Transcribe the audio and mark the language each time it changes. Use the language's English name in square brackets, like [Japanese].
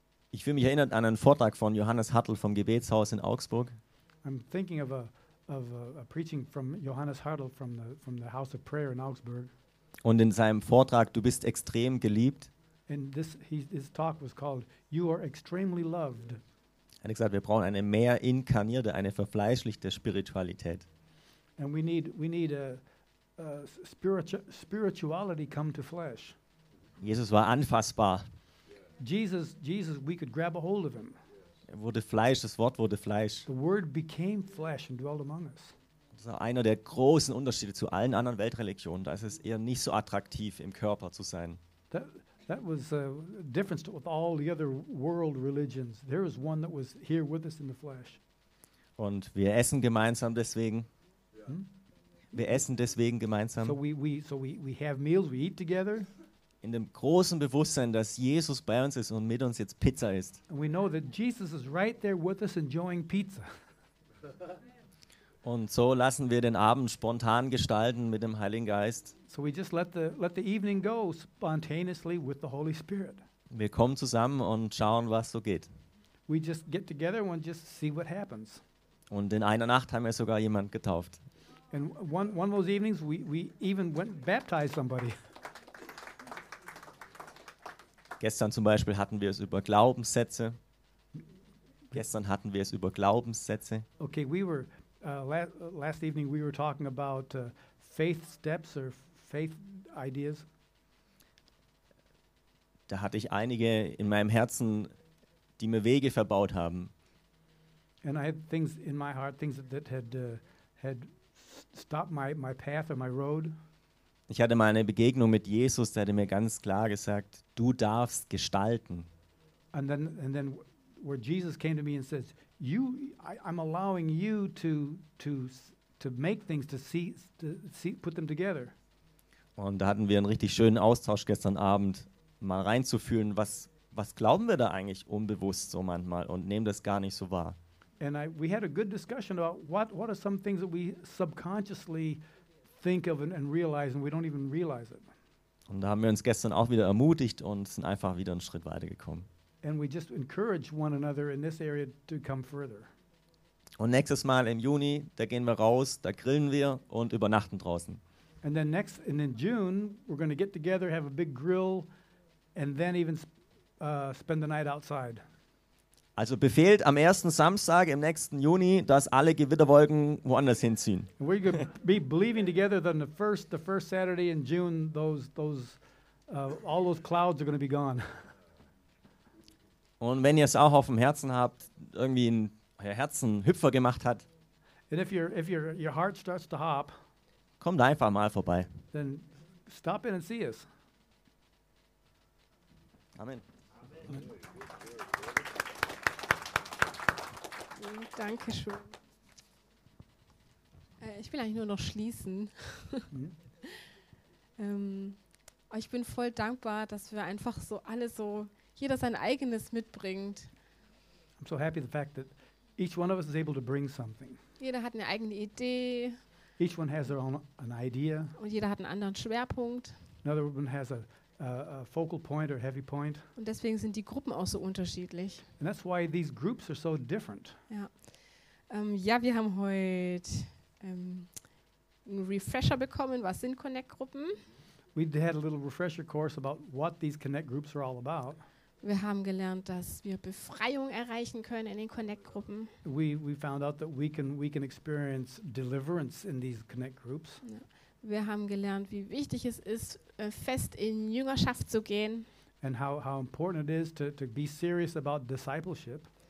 [German] Ich fühle mich erinnert an einen Vortrag von Johannes Hartl vom Gebetshaus in Augsburg. [English] I'm thinking of a preaching from Johannes Hartl from the House of Prayer in Augsburg. [German] Und in seinem Vortrag "Du bist extrem geliebt". [English] And his talk was called "You are extremely loved". [German] Er hat gesagt, wir brauchen eine mehr inkarnierte, eine verfleischlichte Spiritualität. [English] And we need a spirituality come to flesh. [German] Jesus war anfassbar. [English] Jesus, we could grab a hold of him. [German] Er wurde Fleisch, das Wort wurde Fleisch. [English] The word became flesh and dwelt among us. [German] Das ist einer der großen Unterschiede zu allen anderen Weltreligionen. Da ist es eher nicht so attraktiv, im Körper zu sein. [English] That was a difference with all the other world religions. There is one that was here with us in the flesh. [German] Und wir essen gemeinsam deswegen. Wir essen deswegen gemeinsam. [English] So we have meals, we eat together. [German] In dem großen Bewusstsein, dass Jesus bei uns ist und mit uns jetzt Pizza isst. [English] And we know that Jesus is right there with us enjoying pizza. [German] Und so lassen wir den Abend spontan gestalten mit dem Heiligen Geist. [English] So we just let the evening go spontaneously with the Holy Spirit. [German] Wir kommen zusammen und schauen, was so geht. [English] We just get together and just see what happens. [German] Und in einer Nacht haben wir sogar jemand getauft. [English] And one of those evenings we even went and baptized somebody. [German] Gestern zum Beispiel hatten wir es über Glaubenssätze. Gestern hatten wir es über Glaubenssätze. [English] Okay, we were last evening we were talking about faith steps or faith ideas. [German] Da hatte ich einige in meinem Herzen, die mir Wege verbaut haben. [English] And I had things in my heart, things that had had stopped my path or my road. [German] Ich hatte mal eine Begegnung mit Jesus, der hat mir ganz klar gesagt, du darfst gestalten. [English] And then where Jesus came to me and says, you, I'm allowing you to make things, to see, put them together. [German] Und da hatten wir einen richtig schönen Austausch gestern Abend, mal reinzufühlen, was glauben wir da eigentlich unbewusst so manchmal und nehmen das gar nicht so wahr. [English] And we had a good discussion about what are some things that we subconsciously think of and realize and we don't even realize it. [German] Und da haben wir uns gestern auch wieder ermutigt und sind einfach wieder einen Schritt weiter gekommen. [English] And we just encourage one another in this area to come further. [German] Und nächstes Mal im Juni, da gehen wir raus, da grillen wir und übernachten draußen. [English] And then next, and in June, we're going to get together, have a big grill, and then even spend the night outside. [German] Also befehlt am ersten Samstag im nächsten Juni, dass alle Gewitterwolken woanders hinziehen. [English] And we're going to be believing together that on the first Saturday in June, all those clouds are going to be gone. [German] Und wenn ihr es auch auf dem Herzen habt, irgendwie in euer Herzen Hüpfer gemacht hat, [English] and if your heart starts to hop, [German] kommt einfach mal vorbei. [English] Then stop in and see us. [German] Amen. Amen. Danke schön. Ich will eigentlich nur noch schließen. ich bin voll dankbar, dass wir einfach so alle so jeder sein eigenes mitbringt. [English] I'm so happy the fact that each one of us is able to bring something. [German] Jeder hat eine eigene Idee. [English] Each one has their own an idea. [German] Und jeder hat einen anderen Schwerpunkt. [English] Another one has a focal point or heavy point. [German] Und deswegen sind die Gruppen auch so unterschiedlich. [English] And that's why these groups are so different. [German] Ja, wir haben heute einen Refresher bekommen. Was sind Connect-Gruppen? [English] We had a little refresher course about what these Connect groups are all about. [German] Wir haben gelernt, dass wir Befreiung erreichen können in den Connect Gruppen. [English] We found out that we can experience deliverance in these Connect groups. [German] Ja. Wir haben gelernt, wie wichtig es ist, fest in Jüngerschaft zu gehen. [English] And how important it is to be serious about discipleship.